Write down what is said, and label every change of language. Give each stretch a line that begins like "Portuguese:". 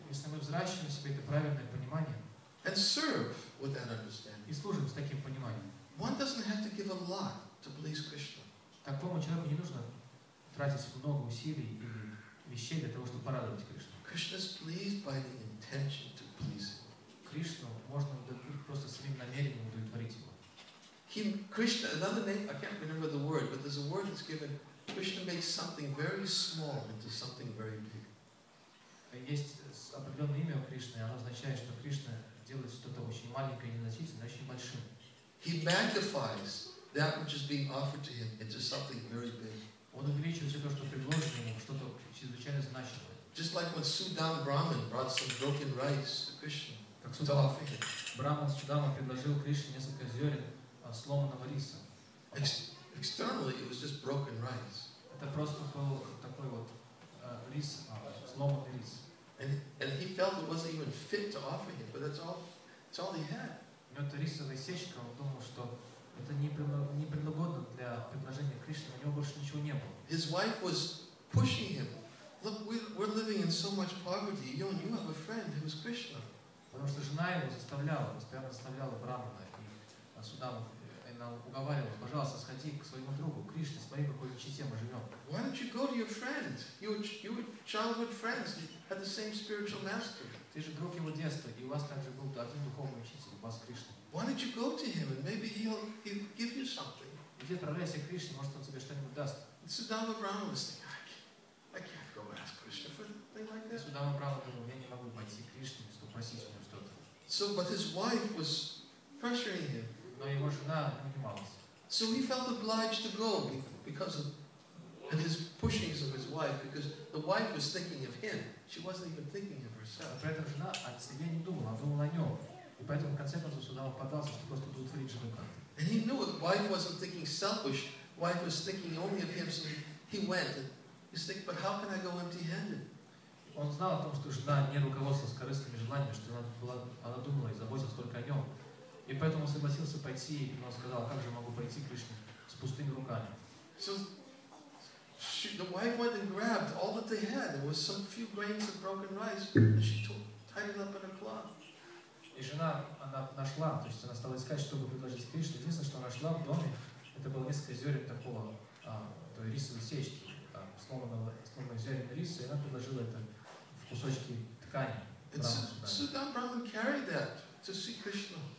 Russian: Если мы взращиваем себе это правильное понимание.
English: And serve with that understanding.
Russian: И служим с таким пониманием.
English: One doesn't have to give a lot to please Krishna.
Russian: Такому человеку не нужно тратить много усилий и вещей для того, чтобы порадовать Кришну.
English: Krishna is pleased by the intention to please him.
Russian: Кришну можно просто своим намерением удовлетворить его.
English: Krishna, another name, I can't remember the word, but there's a word that's given. Krishna makes something very small into something very big.
Russian: Есть определенное имя у Кришны, оно означает, что Кришна делает что-то очень маленькое, незначительное, очень большим.
English: He magnifies that which is being offered to him into something very big.
Russian: Он увеличивает все то, что предложено ему, что-то чрезвычайно значимое.
English: Just like when Sudama Brahman brought some broken rice to Krishna.
Russian: Brahman Sudama предложил Кришне несколько зерен сломанного риса.
English: Externally, it was just broken rice.
Russian: Это просто был такой вот рис, сломанный рис.
English: And he felt it wasn't even fit to offer him, but that's all he had.
Russian: У него эта рисовая сечка, он думал, что это непригодно для предложения Кришны, у него больше ничего не было.
English: His wife was pushing him. Look, we're living in so much poverty. You have a friend who is Krishna.
Russian: Потому что жена его заставляла, постоянно заставляла Брахмана и Судаму. Она уговаривала, пожалуйста, сходи к своему другу, Кришне, смотри, в какой чите мы живем.
English: Why don't you go to your friend? You were childhood friends, you had the same spiritual master.
Russian: Ты же друг его детства, и у вас также был один духовный учитель, у вас Кришна.
English: Why don't you go to him and maybe he'll give you something?
Russian: Иди отправляйся к Кришне, может, он тебе что-нибудь даст.
English: Sudama Brahma was thinking, I can't go ask Krishna for something like this.
Russian: Sudama Brahma думал, я не могу пойти к Кришне, чтобы просить у него что-то.
English: So, but his wife was pressuring him.
Russian: Но его жена поднималась.
English: So he felt obliged to go because of his pushings of his wife, because the wife was thinking of him. She wasn't even thinking of herself.
Russian: При этом жена о себе не думала, она думала о нем. И поэтому в конце концов сюда попадался, чтобы просто удовлетворить жену.
English: And he knew the wife wasn't thinking selfish. Wife was thinking only of him, so he went. And he's thinking, but how can I go empty-handed?
Russian: Он знал о том, что жена не руководствовалась корыстными желаниями, что она думала и заботилась только о нем. И поэтому согласился пойти, но сказал, как же я могу пойти к Кришне с пустыми руками.
English: So, the wife went and grabbed all that they had. There was some few grains of broken rice, and she tied it up in a cloth.
Russian: И жена, она нашла, то есть она стала искать, чтобы предложить Кришне. Единственное, что она нашла в доме, это было несколько зерен такого, той рисовой сечки, сломанного зерен риса, и она предложила это в кусочки ткани.
English: Sudama Brahman carried that to see Krishna.